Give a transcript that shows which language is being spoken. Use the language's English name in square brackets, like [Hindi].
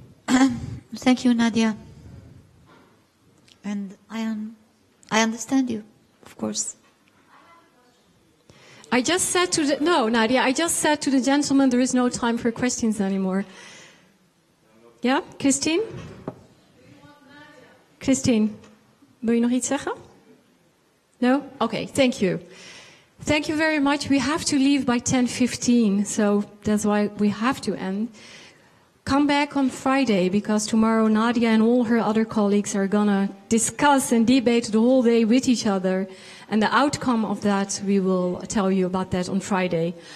[English] Thank you, Nadia. And I understand you, of course. I just said to the... No, Nadia, I just said to the gentleman there is no time for questions anymore. Yeah, Kristien? [Dutch] Kristien, wil je nog iets zeggen? [English] No? Okay, thank you. Thank you very much. We have to leave by 10:15, so that's why we have to end. come back on Friday, because tomorrow Nadia and all her other colleagues are gonna discuss and debate the whole day with each other, and the outcome of that, we will tell you about that on Friday.